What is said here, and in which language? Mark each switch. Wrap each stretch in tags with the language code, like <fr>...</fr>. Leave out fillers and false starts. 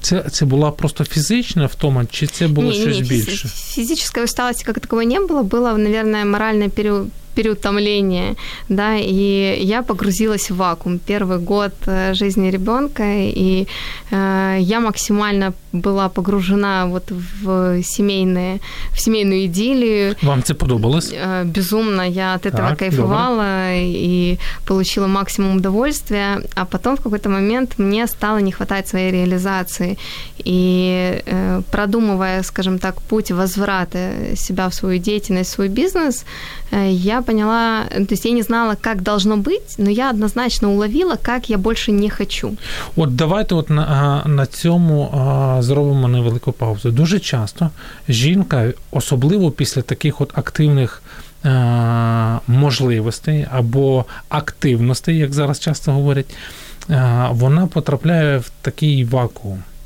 <uk>Це була просто фізична втома, чи це було щось більше? Фізичної усталості, як такого, не було. Було,</uk> <ru>наверное,</ru> <uk>моральне</uk> <ru>переутомление, да, и я погрузилась в вакуум. Первый год жизни ребенка, и я максимально была погружена вот в семейную идиллию. Вам это</ru> <uk>подобалось?</uk> <ru>Безумно, я от этого так, кайфовала, добро. И получила максимум удовольствия, а потом в какой-то момент мне стало не хватать своей реализации, и продумывая, скажем так, путь возврата себя в свою деятельность, в свой бизнес, я поняла, то есть я не знала, как должно быть, но я однозначно уловила, как я больше не хочу.</ru> <uk>От давайте от на цьому зробимо невелику паузу. Дуже часто жінка, особливо після таких от активних можливостей або активностей, як зараз часто говорять, вона потрапляє в такий вакуум.</uk>